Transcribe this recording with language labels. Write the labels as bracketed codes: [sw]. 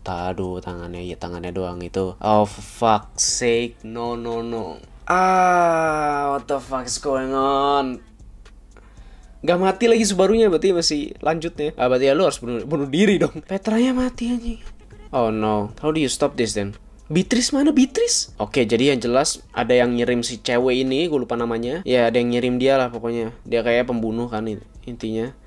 [id] Aduh, tangannya ya tangannya doang itu. [en] Oh fuck sake, no no no. Ah, what the fuck is going on? [id] Gak mati lagi Subarunya, berarti masih lanjutnya. Ah, berarti ya lu harus bunuh diri dong. Petranya mati anjing. [en] Oh no, how do you stop this then? [id] Beatrice mana Beatrice? Oke, jadi yang jelas ada yang ngirim si cewek ini, gue lupa namanya. Ya ada yang ngirim dia lah pokoknya. Dia kayak pembunuh kan intinya.